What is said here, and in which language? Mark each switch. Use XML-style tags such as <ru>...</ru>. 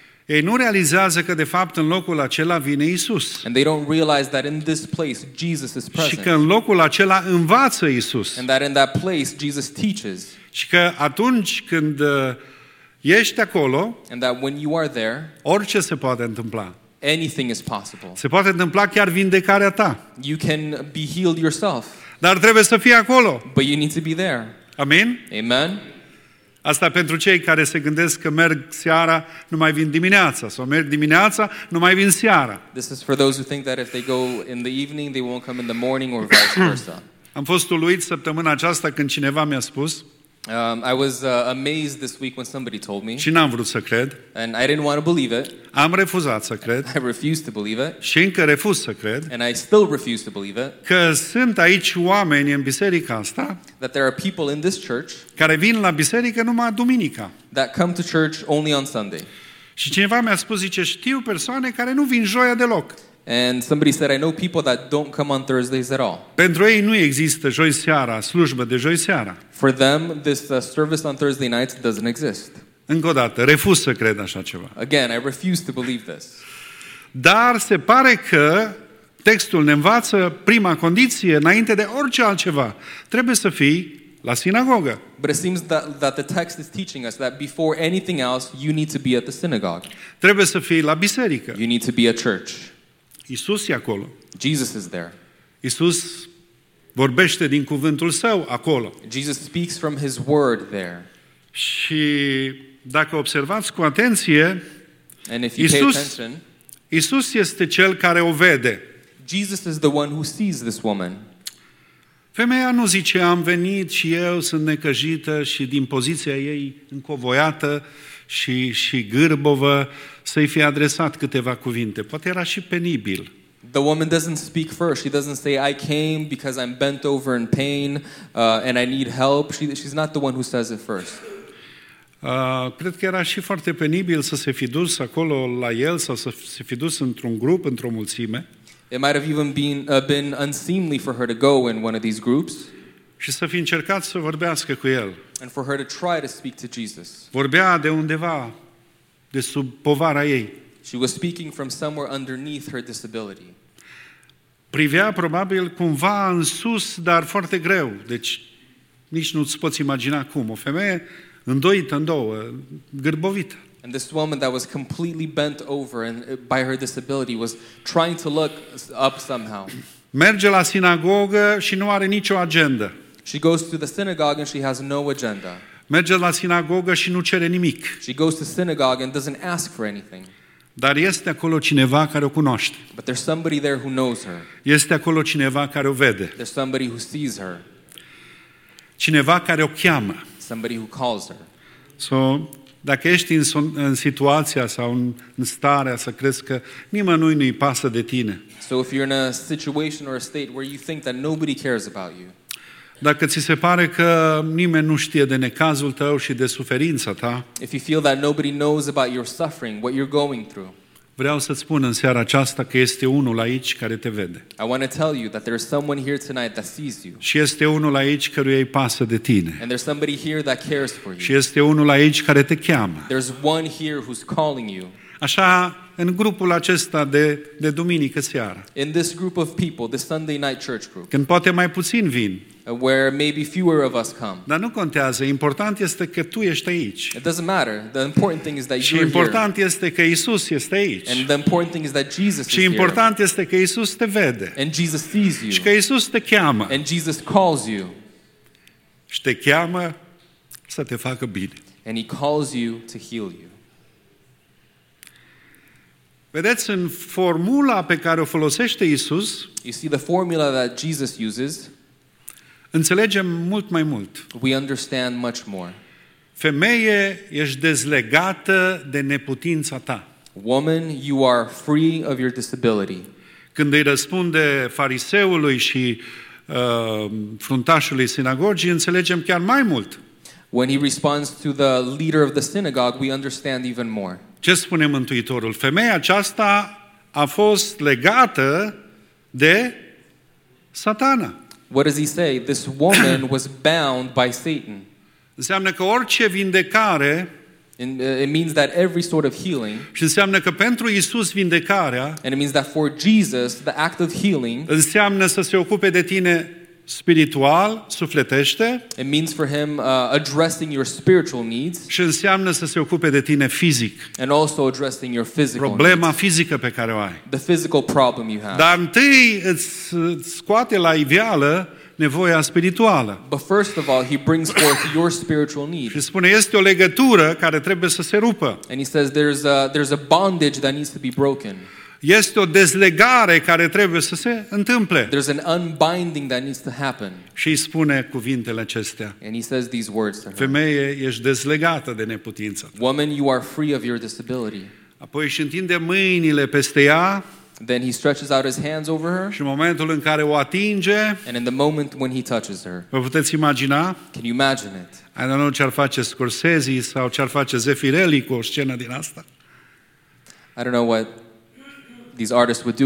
<ro>Ei nu realizează că de fapt în locul acela vine Iisus.</ro> <en>And they don't realize that in this place Jesus is present.</en> <ro>Și că în locul acela învață Iisus.</ro> <en>And that in that place Jesus teaches.</en> <ro>Și că atunci când ești acolo,</ro> <en>and that when you are there,</en> <ro>orice se poate întâmpla.</ro> <en>Anything is possible.</en> <ro>Se poate întâmpla chiar vindecarea ta.</ro> <en>You can be healed yourself.</en> <ro>Dar trebuie să fii acolo.</ro> <en>But you need to be there.</en> <ro>Amen.</ro> <en>Amen.</en> <ro>Asta pentru cei care se gândesc că merg seara, nu mai vin dimineața, sau merg dimineața, nu mai vin seara.</ro> <en>This is for those who think that if they go in the evening, they won't come in the morning or vice versa.</en> <ro>Am fost uluit săptămâna aceasta când cineva mi-a spus.</ro> <en>I was amazed this week when somebody told me.</en> <ro>Și n-am vrut să cred.</ro> <en>And I didn't want to believe it.</en> <ro>Am refuzat să cred.</ro> <en>I refused to believe it.</en> <ro>Și încă refuz să cred.</ro> <en>And I still refuse to believe it.</en> <ro>Că sunt aici oameni în biserica asta.</ro> <en>That there are people in this church.</en> <ro>Care vin la biserică numai duminica.</ro> <en>That come to church only on Sunday.</en> <ro>Și cineva mi-a spus, zice, știu persoane care nu vin joia deloc.</ro> <en>And somebody said, I know people that don't come on Thursdays at all.</en> <ro>Pentru ei nu există joi seara, slujbă de joi seara.</ro> <en>For them, this service on Thursday nights doesn't exist.</en> <ro>Încă o dată, refuz să cred așa ceva.</ro> <en>Again, I refuse to believe this.</en> <ro>Dar se pare că textul ne învață prima condiție, înainte de orice altceva. Trebuie să fii la sinagogă.</ro> <en>But it seems that the text is teaching us that before anything else, you need to be at the synagogue.</en> <ro>Trebuie să fii la biserică.</ro> <en>You need to be at church.</en> <ro>Iisus e acolo.</ro> <en>Jesus is there.</en> <ro>Iisus vorbește din cuvântul său acolo.</ro> <en>Jesus speaks from his word there.</en> <ro>Și dacă observați cu atenție,</ro> <en>and if you pay attention,</en> <ro>Iisus este cel care o vede.</ro> <en>Jesus is the one who sees this woman.</en> <ro>Femeia nu zice, am venit și eu, sunt necăjită și din poziția ei încovoiată și gârbovă, să-i fi adresat câteva cuvinte. Poate era și penibil.</ro> <en>The woman doesn't speak first. She doesn't say, I came because I'm bent over in pain and I need help. She's not the one who says it first.</en> <ro>Cred că era și foarte penibil să se fi dus acolo la el sau să se fi dus într-un grup, într-o mulțime.</ro> <en>It might have even been unseemly for her to go in one of these groups.</en> <ro>Și să fi încercat să vorbească cu el.</ro> <en>And for her to try to speak to Jesus.</en> <ro>Vorbea de undeva, de sub povara ei.</ro> <en>She was speaking from somewhere underneath her disability.</en> <ro>Privea probabil cumva în sus, dar foarte greu. Deci nici nu-ți poți imagina cum. O femeie îndoită în două, gârbovită.</ro> <en>And this woman that was completely bent over and by her disability was trying to look up somehow.</en> <ro>Merge la sinagogă și nu are nicio agendă.</ro> <en>She goes to the synagogue and she has no agenda.</en> <ro>Merge la sinagogă și nu cere nimic.</ro> <en>She goes to synagogue and doesn't ask for anything.</en> <ro>Dar este acolo cineva care o cunoaște.</ro> <en>But there's somebody there who knows her.</en> <ro>Este acolo cineva care o vede.</ro> <en>There's somebody who sees her.</en> <ro>Cineva care o cheamă.</ro> <en>Somebody who calls her.</en> <ro>So, dacă ești în situația sau în starea să crezi că nimănui nu-i pasă de tine.</ro> <en>So if you're in a situation or a state where you think that nobody cares about you.</en> <ro>Dacă ți se pare că nimeni nu știe de necazul tău și de suferința ta.</ro> <en>If you feel that nobody knows about your suffering, what you're going through.</en> <ro>Vreau să-ți spun în seara aceasta că este unul aici care te vede.</ro> <en>I want to tell you that there's someone here tonight that sees you.</en> <ro>Și este unul aici căruia îi pasă de tine.</ro> <en>And there's somebody here that cares for you.</en> <ro>Și este unul aici care te cheamă.</ro> <en>There's one here who's calling you.</en> <ro>Așa, în grupul acesta de duminică seară.</ro> <en>In this group of people, the Sunday night church group.</en> <ro>Când poate mai puțin vin.</ro> <en>Where maybe fewer of us come.</en> <ro>Dar nu contează, important este că tu ești aici.</ro> <en>It doesn't matter. The important thing is that you're here.</en> <ro>Și important este că Iisus este aici.</ro> <en>And the important thing is that Jesus is here.</en> <ro>Și important este că Iisus te vede.</ro> <en>And Jesus sees you.</en> <ro>Și că Iisus te cheamă.</ro> <en>And Jesus calls you.</en> <ro>Și te cheamă să te facă bine.</ro> <en>And he calls you to heal you.</en> <ro>Vedeți, în formula pe care o folosește Iisus,</ro> <en>you see the formula that Jesus uses,</en> <ro>înțelegem mult mai mult.</ro> <en>We understand much more.</en> <ro>Femeie, ești dezlegată de neputința ta.</ro> <en>Woman, you are free of your disability.</en> <ro>Când îi răspunde fariseului și fruntașului sinagogii, înțelegem chiar mai mult.</ro> <en>When he responds to the leader of the synagogue, we understand even more.</en> <ro>Ce spune Mântuitorul? Femeia aceasta a fost legată de Satana.</ro> <en>What does he say? This woman was bound by Satan.</en> <ro>Înseamnă că orice vindecare,</ro> <en>it means that every sort of healing,</en> <ro>și înseamnă că pentru Iisus vindecarea,</ro> <en>and it means that for Jesus, the act of healing,</en> <ro>înseamnă să se ocupe de tine spiritual, sufletește,</ro> <en>it means for him addressing your spiritual needs,</en> <ro>și înseamnă să se ocupe de tine fizic,</ro> <en>and also addressing your physical</en> <ro>problema</ro> <en>needs,</en> <ro>fizică pe care o ai,</ro> <en>the physical problem you have.</en> <ro>Dar întâi îți scoate la iveală nevoia spirituală.</ro> <en>But first of all, he brings forth your spiritual need.</en> <ro>Și spune, este o legătură care trebuie să se rupă.</ro> <en>And he says there's a bondage that needs to be broken.</en> <ro>Este o dezlegare care trebuie să se întâmple.</ro> <en>There's an unbinding that needs to happen.</en> <ro>Și spune cuvintele acestea.</ro> <en>And he says these words to her.</en> <ro>Femeie, ești dezlegată de neputință.</ro> <en>Woman, you are free of your disability.</en> <ro>Apoi își întinde mâinile peste ea.</ro> <en>Then he stretches out his hands over her.</en> <ro>Și în momentul în care o atinge.</ro> <en>And in the moment when he touches her.</en> <ro>Vă puteți imagina?</ro> <en>Can you imagine it? I don't know</en> <ro>ce-ar face Scorsese sau ce-ar face Zeffirelli cu o scenă din asta.</ro> <en>I don't know what these artists would do</en>